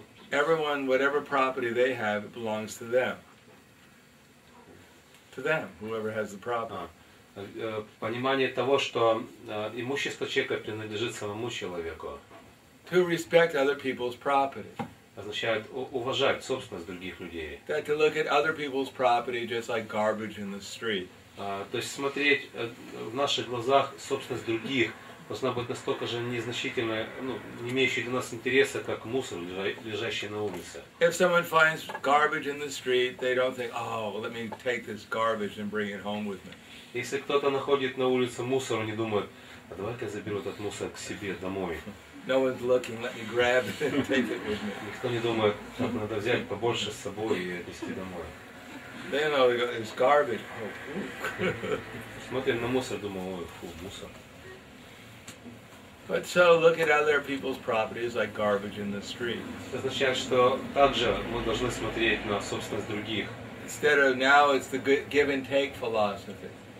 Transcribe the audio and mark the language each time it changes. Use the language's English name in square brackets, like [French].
[English] Everyone, whatever property they have, it belongs to them. To them, whoever has the property. [Russian] Понимание того, что имущество человека принадлежит самому человеку. [English] To respect other people's property. [Russian] Означает уважать собственность других людей. [English] That to look at other people's property just like garbage in the street. [Russian] То есть смотреть в наших глазах собственность других должна быть настолько же незначительной, ну, не имеющей для нас интереса, как мусор, лежащий на улице. [English] If someone finds garbage in the street, they don't think, oh, let me take this garbage and bring it home with me. [Russian] Если кто-то находит на улице мусор, они думают, а давай-ка я заберу этот мусор к себе домой. [English] No one's looking, let me grab it and take it with me. [Russian] Никто не думает, вот надо взять побольше с собой и отнести домой. [English] They know it's garbage. Oh, [Russian] смотрим на мусор, думаю, ой, фу, мусор. [English] But so look at other people's properties like garbage in the street. [Russian] Это означает, что также мы должны смотреть на собственность других. [English] Instead of now, it's the give and take philosophy.